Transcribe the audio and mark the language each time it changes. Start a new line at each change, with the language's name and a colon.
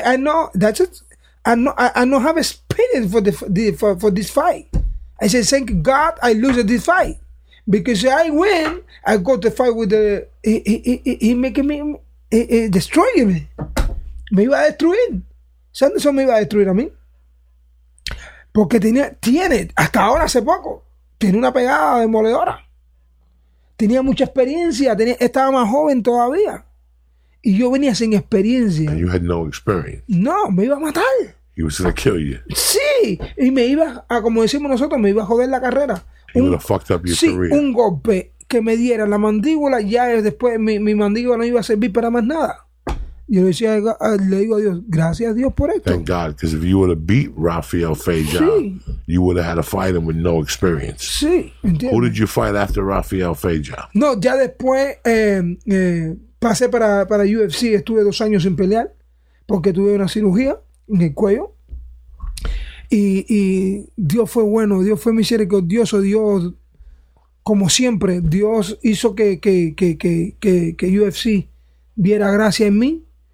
English: I know, that's it. I don't have experience for this fight. I said, thank God I lose this fight. Because I win, I go to fight with he destroying me. Maybe I threw in.
Spanish: Sanderson me iba a destruir a mí. Porque tiene, hasta ahora hace poco, tiene una pegada demoledora. Tenía mucha experiencia, estaba más joven todavía. Y yo venía sin experiencia.
English: And you had no experience.
Spanish: No, me iba a matar.
English: He was gonna kill you.
Spanish: Sí, y me iba a, como decimos nosotros, me iba a joder la carrera.
English: He would have fucked up your career.
Spanish: Un golpe que me diera la mandíbula, ya después mi mandíbula no iba a servir para más nada. Yo le decía, le digo a Dios, gracias a Dios por esto.
English: Thank God, because if you would have beat Rafael Feijão, you would have had to fight him with no experience.
Spanish: Sí, entiendo.
English: Who did you fight after Rafael Feijão?
Spanish: No, ya después pasé para UFC, estuve dos años sin pelear, porque tuve una cirugía en el cuello. Y Dios fue bueno, Dios fue misericordioso, Dios, como siempre, Dios hizo que UFC viera gracia en mí.